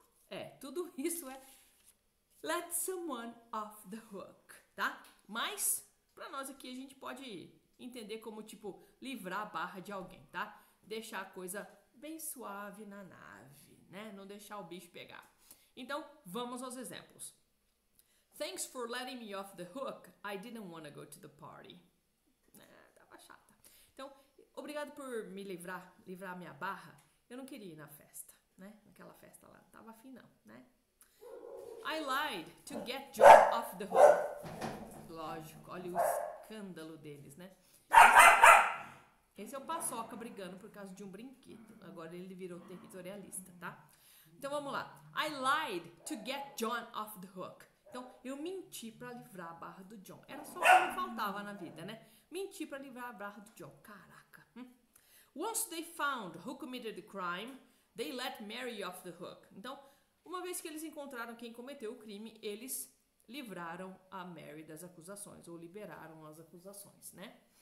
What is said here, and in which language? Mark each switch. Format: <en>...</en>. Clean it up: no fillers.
<pt>É, tudo isso é</pt> <en>let someone off the hook,</en> <pt>tá? Mas, pra nós aqui, a gente pode entender como, tipo, livrar a barra de alguém, tá? Deixar a coisa bem suave na nave, né? Não deixar o bicho pegar. Então, vamos aos exemplos.</pt> <en>Thanks for letting me off the hook. I didn't want to go to the party.</en> <pt>Tava chata. Então, obrigado por me livrar a minha barra. Eu não queria ir na festa, né? Naquela festa lá. Tava afim não, né?</pt> <en>I lied to get John off the hook.</en> <pt>Lógico, olha o escândalo deles, né? Esse é o Paçoca brigando por causa de um brinquedo. Agora ele virou territorialista, tá? Então vamos lá.</pt> <en>I lied to get John off the hook.</en> <pt>Então eu menti pra livrar a barra do John. Era só o que me faltava na vida, né? Menti pra livrar a barra do John. Caraca.</pt> <en>Once they found who committed the crime, they let Mary off the hook.</en> <pt>Então, uma vez que eles encontraram quem cometeu o crime, eles livraram a Mary das acusações, ou liberaram as acusações, né?</pt>